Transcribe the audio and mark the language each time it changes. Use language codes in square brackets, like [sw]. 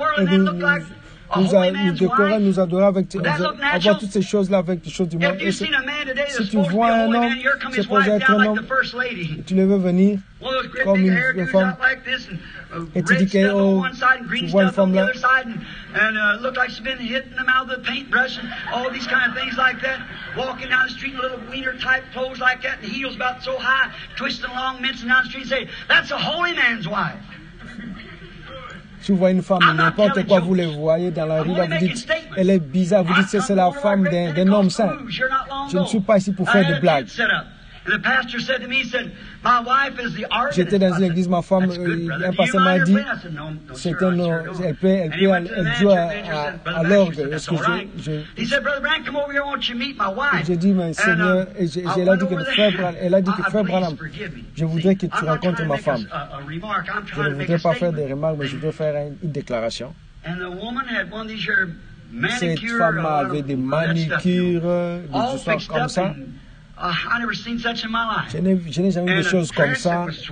[fr] Et nous, nous décorons, nous adorons avec, avec toutes ces choses-là, avec les choses du monde. Si, si tu vois un homme, c'est pour être un homme. Et tu le veux venir comme une femme. Et tu dis que, oh, tu vois une femme là. [en] And looked like she's been hitting them out of the paintbrush and all these kind of things like that. Walking down the street in little wiener type clothes like that and heels about so high, twisting along, mincing down the street and say, that's a holy man's wife. [fr] Tu vois une femme, n'importe quoi, vous les voyez dans la rue, là, vous dites, elle est bizarre, vous dites, c'est la femme d'un homme saint. Je ne suis pas ici pour faire des blagues. [en] The pastor said to me, he said, my wife is the artist. [fr] J'étais dans une église, ma femme, un pasteur m'a dit, c'est un nom, elle joue à l'orgue. [en] He said, Brother Brandt, come over here, I want you to meet my wife. [fr] J'ai dit, mais Seigneur, elle a dit que Frère Branham, je voudrais que tu rencontres ma femme. Je ne voudrais pas faire des remarques, mais je veux faire une déclaration. [en] And the woman had one of these manicures. [fr] Cette femme avait des manicures, des histoires comme ça. [en] I never seen such in my life. [fr] Je n'ai jamais vu des choses comme ça.